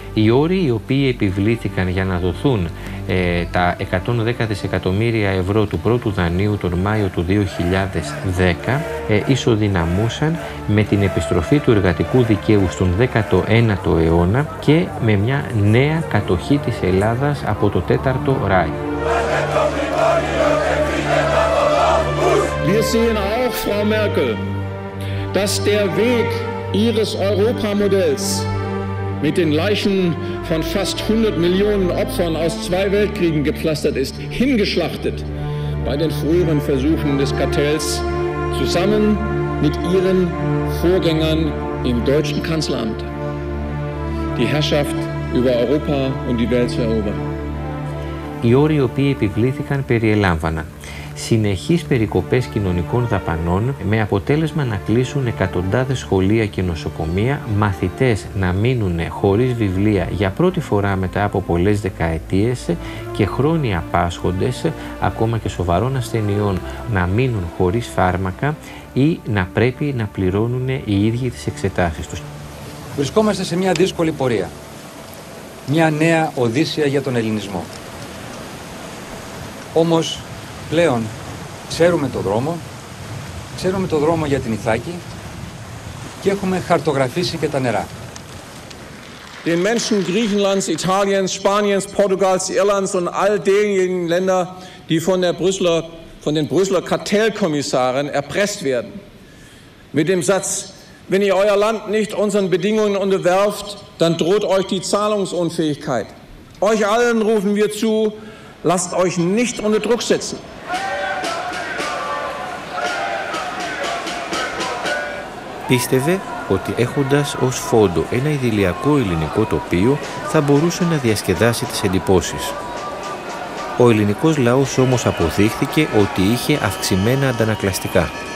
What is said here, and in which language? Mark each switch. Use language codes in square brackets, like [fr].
[el] Οι όροι οι οποίοι επιβλήθηκαν για να δοθούν τα 110 δισεκατομμύρια ευρώ του πρώτου δανείου τον Μάιο του 2010 ισοδυναμούσαν με την επιστροφή του εργατικού δικαίου στον 19ο αιώνα και με μια νέα κατοχή της Ελλάδας από το 4ο Ράι. [de] Wir sehen auch, Frau Merkel, dass der Weg Ihres Europamodells mit den Leichen von fast 100 Millionen Opfern aus zwei Weltkriegen gepflastert ist, hingeschlachtet bei den früheren Versuchen des Kartells zusammen mit Ihren Vorgängern im deutschen Kanzleramt, die Herrschaft über Europa und die Welt zu erobern. [el] Οι όροι οι οποίοι επιβλήθηκαν περιελάμβαναν συνεχείς περικοπές κοινωνικών δαπανών με αποτέλεσμα να κλείσουν εκατοντάδες σχολεία και νοσοκομεία, μαθητές να μείνουν χωρίς βιβλία για πρώτη φορά μετά από πολλές δεκαετίες και χρόνια πάσχοντες, ακόμα και σοβαρών ασθενειών, να μείνουν χωρίς φάρμακα ή να πρέπει να πληρώνουν οι ίδιοι τις εξετάσεις τους. Βρισκόμαστε σε μια δύσκολη πορεία. Μια νέα οδύσσια για τον ελληνισμό. Όμως πλέον ξέρουμε το δρόμο για την Ιθάκη και έχουμε χαρτογραφήσει και τα νερά. [de] Den Menschen Griechenlands, Italiens, Spaniens, Portugals, Irlands und all denjenigen Länder, die von den Brüsseler Kartellkommissaren erpresst werden, mit dem Satz: Wenn ihr euer Land nicht unseren Bedingungen unterwerft, dann droht euch die Zahlungsunfähigkeit. Euch allen rufen wir zu: Lasst euch nicht unter Druck setzen. [el] Πίστευε ότι έχοντας ως φόντο ένα ιδηλιακό ελληνικό τοπίο θα μπορούσε να διασκεδάσει τις εντυπώσεις. Ο ελληνικός λαός όμως αποδείχθηκε ότι είχε αυξημένα αντανακλαστικά.